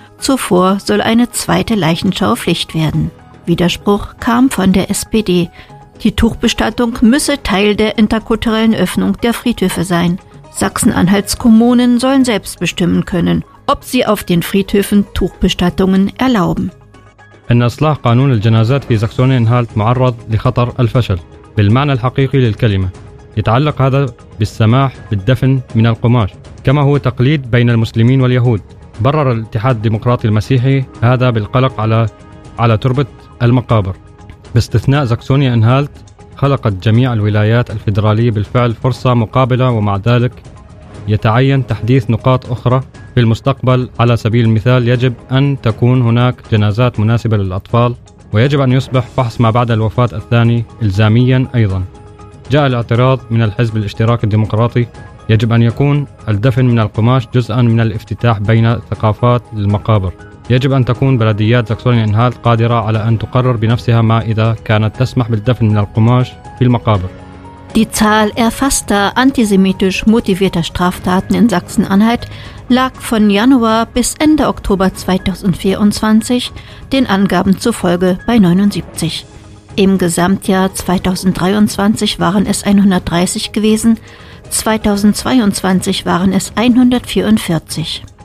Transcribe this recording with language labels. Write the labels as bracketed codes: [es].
[de] Zuvor soll eine zweite Leichenschau Pflicht werden. Widerspruch kam von der SPD. Die Tuchbestattung müsse Teil der interkulturellen Öffnung der Friedhöfe sein. Sachsen-Anhalts Kommunen sollen selbst bestimmen können, ob sie auf den Friedhöfen Tuchbestattungen erlauben. [ar] إن إصلاح قانون الجنازات في ساكسون-أنهالت معرض لخطر الفشل بالمعنى الحقيقي للكلمة. يتعلق هذا بالسماح بالدفن من القماش كما هو تقليد بين المسلمين واليهود برر الاتحاد الديمقراطي المسيحي هذا بالقلق على تربة المقابر باستثناء زكسونيا انهالت خلقت جميع الولايات الفيدرالية بالفعل فرصة مقابلة ومع ذلك يتعين تحديث نقاط أخرى في المستقبل على سبيل المثال يجب أن تكون هناك جنازات مناسبة للأطفال ويجب أن يصبح فحص ما بعد الوفاة الثاني إلزاميا أيضا جاء الاعتراض من الحزب الاشتراكي الديمقراطي يجب أن يكون الدفن من القماش جزءا من الافتتاح بين ثقافات المقابر. يجب أن تكون بلديات زكسونيا أنهالت قادرة على أن تقرر بنفسها ما إذا كانت تسمح بالدفن من القماش في المقابر. [de] Die Zahl erfasster antisemitisch motivierter Straftaten in Sachsen-Anhalt lag von Januar bis Ende Oktober 2024 den Angaben zufolge bei 79. Im Gesamtjahr 2023 waren es 130 gewesen, 2022 waren es 144.